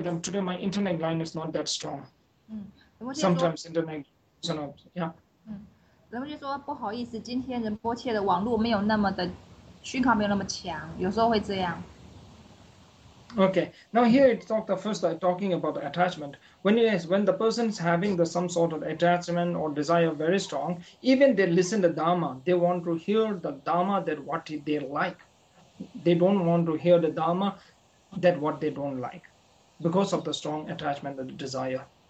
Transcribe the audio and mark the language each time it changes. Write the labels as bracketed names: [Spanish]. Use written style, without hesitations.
[English] Them today, my internet line is not that strong. Sometimes internet is not. Yeah. [Chinese] 人们就说不好意思，今天仁波切的网络没有那么的讯号没有那么强，有时候会这样。 [English] Okay. Now here it talk the first talking about attachment. When the person is having the some sort of attachment or desire very strong, even they listen to Dharma, they want to hear the Dharma that what they like. They don't want to hear the Dharma that what they don't like because of the strong attachment and the desire.